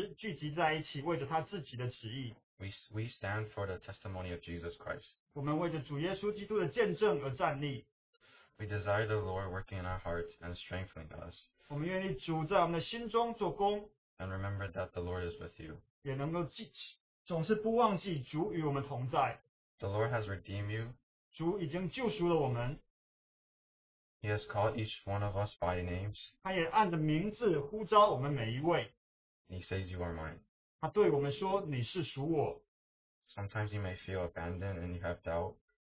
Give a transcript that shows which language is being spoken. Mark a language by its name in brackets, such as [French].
[Chinese] 主也把我们招聚作为活石聚集在一起，为着他自己的旨意。 [English] We stand for the testimony of Jesus Christ. [Chinese] 我们为着主耶稣基督的见证而站立。 [English] We desire the Lord working in our hearts and strengthening us. [Chinese] 我们愿意主在我们的心中做工。 [English] And remember that the Lord is with you. [Chinese] 也能够记，总是不忘记主与我们同在。 [English] The Lord has redeemed you. [Chinese] 主已经救赎了我们。 [English] He has called each one of us by names. [Chinese] 他也按着名字呼召我们每一位。 [English] He says you are mine. [Chinese] 他对我们说你是属我。 [English] Sometimes you may feel abandoned and you have doubt.